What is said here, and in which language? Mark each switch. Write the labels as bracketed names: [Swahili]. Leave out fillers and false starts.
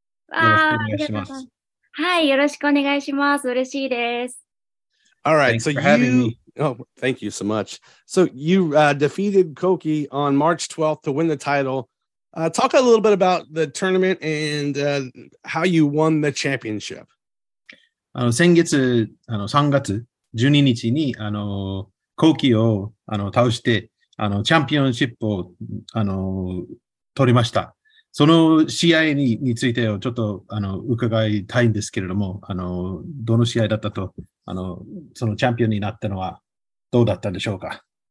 [Japanese] はい、よろしくお願いします。嬉しいです。 [English] All right, so you... Oh, thank you so much. So you defeated Koki on March 12th to win the title. Talk a little bit about the tournament and how you won the championship. [Japanese] 先月、3月12日に、Koki を、倒して、チャンピオンシップを、取りました。その試合についてをちょっと伺いたいんですけれども、どの試合だったと、そのチャンピオンになったのはどうだったんでしょうか。